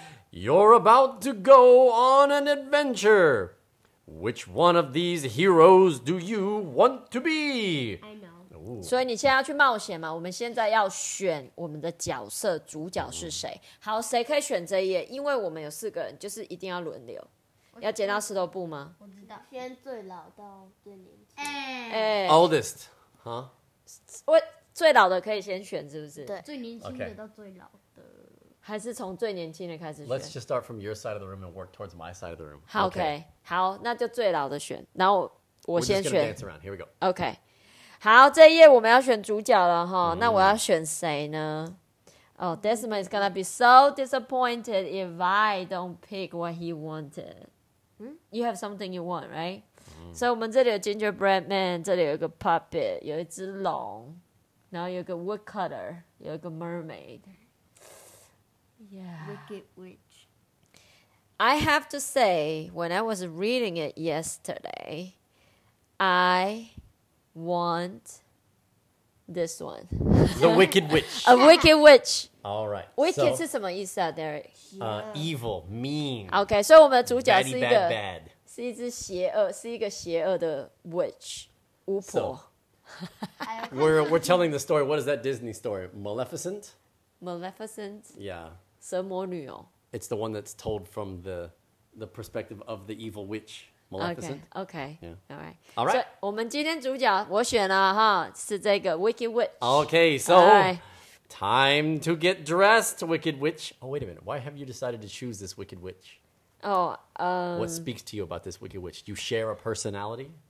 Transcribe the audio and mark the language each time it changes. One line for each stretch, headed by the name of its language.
English: You're about to go on an adventure. Which one of these heroes do you want to be? I know. Ooh.
Chinese: 所以你现在要去冒险嘛？我们现在要选我们的角色，主角是谁？好，谁可以选这一页？因为我们有四个人，就是一定要轮流。要剪刀石头布吗？我知道，先最老到最年轻。
English: Oldest， 哈？
Chinese: 我最老的可以先选，是不是？对，最年轻的到最老的。还是从最年轻的开始选。
English: Let's just start from your side of the room and work towards my side of the room. Okay.
Chinese: 好，那就最老的选，然后我先选。
English: We're just gonna dance around. Here we go. Okay.
Chinese: 好，这一页我们要选主角了哈。那我要选谁呢？
English: 哦、Desmond is gonna be so disappointed if I don't pick what he wanted. You have something you want, right?
Chinese: So 我们这里有 gingerbread man， 这里有一个 puppet， 有一只龙，然后有一个 woodcutter， 有一个 mermaid.
English: Yeah. Wicked witch. I have to say, when I was reading it yesterday, I want this one. The Wicked Witch. A Wicked Witch. All right.
Chinese: Wicked 是什么意思啊, Derek?
English: Evil, mean.
Chinese: Okay, 所以我们的主角是一个
English: bad, bad.
Chinese: 是一只邪恶，是一个邪恶的 witch, 巫婆。
English: We're telling the story. What is that Disney story? Maleficent? Maleficent? Yeah.
Chinese: 蛇魔女哦。
English: It's the one that's told from the the perspective of the evil witch, Maleficent. Okay. Yeah. All right.
Chinese: So, 我们今天主角我选了哈，是这个 Wicked Witch.
English: Okay, so... Time to get dressed, Wicked Witch. Oh, wait a minute. Why have you decided to choose this Wicked Witch? Oh, What speaks to you about this Wicked Witch? Do you share a personality?